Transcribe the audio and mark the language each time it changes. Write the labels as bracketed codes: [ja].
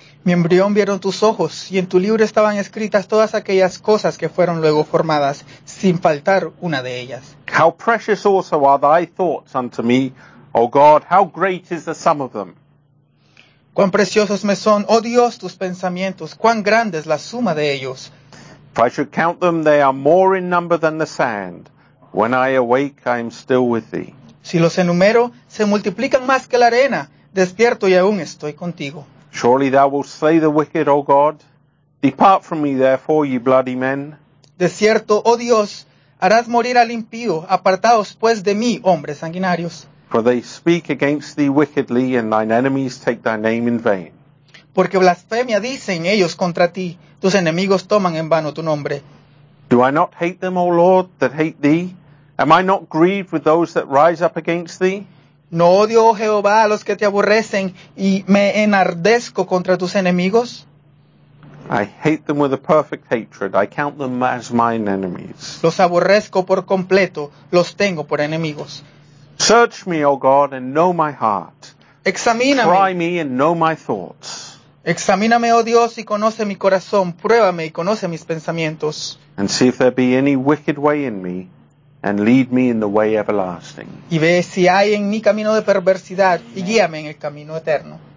[es] Mi embrión vieron tus ojos, y en tu libro estaban escritas todas aquellas cosas que fueron luego formadas, sin faltar una de ellas. [en] How precious also are thy thoughts unto me, O God, how great is the sum of them. [es] Cuán preciosos me son, oh Dios, tus pensamientos, cuán grande es la suma de ellos. [en] If I should count them, they are more in number than the sand. When I awake, I am still with thee. [es] Si los enumero, se multiplican más que la arena. Despierto y aún estoy contigo. [en] Surely thou wilt slay the wicked, O God. Depart from me, therefore, ye bloody men. [es] De cierto, oh Dios, harás morir al impío. Apartaos, pues, de mí, hombres sanguinarios. [en] For they speak against thee wickedly, and thine enemies take thy name in vain. [es] Porque blasfemia dicen ellos contra ti, tus enemigos toman en vano tu nombre. [en] Do I not hate them, O Lord, that hate thee? Am I not grieved with those that rise up against thee? [es] ¿No odio, oh Jehová, a los que te aborrecen y me enardezco contra tus enemigos? [en] I hate them with a perfect hatred. I count them as mine enemies. [es] Los aborrezco por completo. Los tengo por enemigos. [en] Search me, oh God, and know my heart. [es] Examíname. [en] Try me and know my thoughts. [es] Examíname, oh Dios, y conoce mi corazón. Pruébame y conoce mis pensamientos. [en] And see if there be any wicked way in me, and lead me in the way everlasting. [es] Y ve si hay en mi camino de perversidad, y guíame en el camino eterno.